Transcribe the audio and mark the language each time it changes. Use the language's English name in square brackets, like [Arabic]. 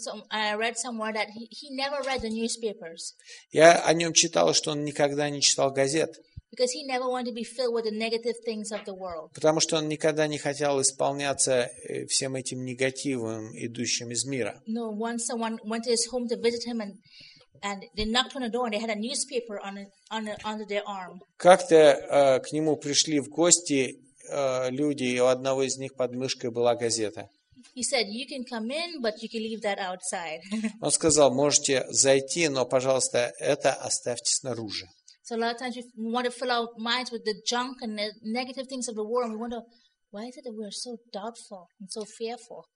[English] I read somewhere that he never read the newspapers. [Russian] Я о нем читал, что он никогда не читал газет. [English] Because he never wanted to be filled with the negative things of the world. [Russian] Потому что он никогда не хотел исполняться всем этим негативом, идущим из мира. [English] No, once someone went to his home to visit him and they knocked on the door and they had a newspaper under their arm. [Russian] Как-то к нему пришли в гости люди, и у одного из них под мышкой была газета. [English] He said, "You can come in, but you can leave that outside." [Russian] Он сказал, можете зайти, но, пожалуйста, это оставьте снаружи. [English] So a lot of times we want to fill our minds with the junk and the negative things of the world. We wonder, why is it that we are so doubtful and so fearful?